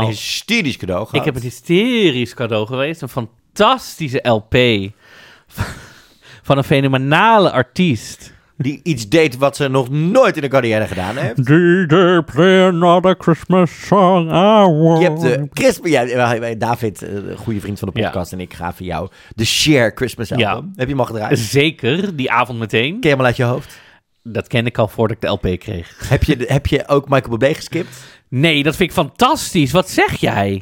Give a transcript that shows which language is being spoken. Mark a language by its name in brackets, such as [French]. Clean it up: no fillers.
[Dutch] Je hebt een hysterisch cadeau gehad. Ik heb een hysterisch cadeau geweest. Een fantastische LP van een fenomenale artiest... Die iets deed wat ze nog nooit in de carrière gedaan heeft. [English] Did they play another Christmas song? [Dutch] Je hebt de Christmas... Ja, David, goede vriend van de podcast, ja. En ik ga voor jou de Cher Christmas album. Ja. Heb je hem al gedraaid? Zeker, die avond meteen. Ken je hem al uit je hoofd? Dat kende ik al voordat ik de LP kreeg. Heb je ook Michael Bublé geskipt? Nee, dat vind ik fantastisch. Wat zeg jij?